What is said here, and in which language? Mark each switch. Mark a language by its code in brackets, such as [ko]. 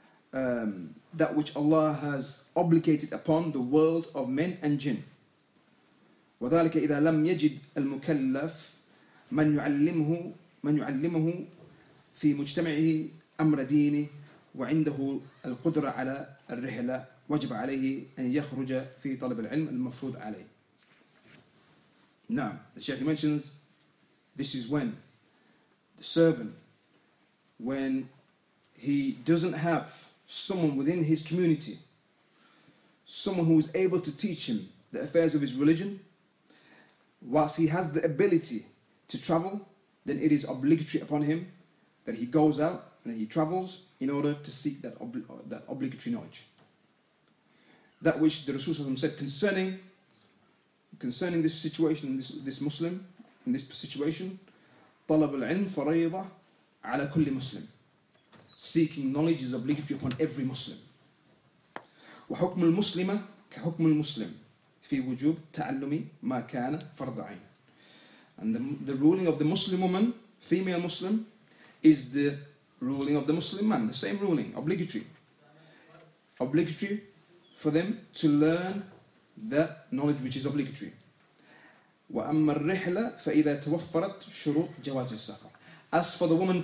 [en] That which Allah has obligated upon the world of men and jinn. [ar] وذلك إذا لم يجد المكلف من يعلمه في مجتمعه أمر دينه وعنده القدرة على الرحلة وجب عليه أن يخرج في طلب العلم المفروض عليه. [en] Now, the Sheikh mentions, this is when the servant, when he doesn't have someone within his community, someone who is able to teach him the affairs of his religion, whilst he has the ability to travel, then it is obligatory upon him that he goes out and he travels in order to seek that that obligatory knowledge. That which the Rasulullah said concerning this situation, this Muslim, in this situation, [ar] طلب العلم فريضة على كل مسلم. [en] Seeking knowledge is obligatory upon every Muslim. [ar] وحكم المسلمة كحكم المسلم. في وجوب تعلم ما كان فرض عين. [en] And the ruling of the Muslim woman, female Muslim, is the ruling of the Muslim man. The same ruling, obligatory. Obligatory for them to learn the knowledge which is obligatory. [ar] وَأَمَّا الرِّحْلَ فَإِذَا تَوَفَّرَتْ شُرُوطْ جَوَازِ السَّفَرِ.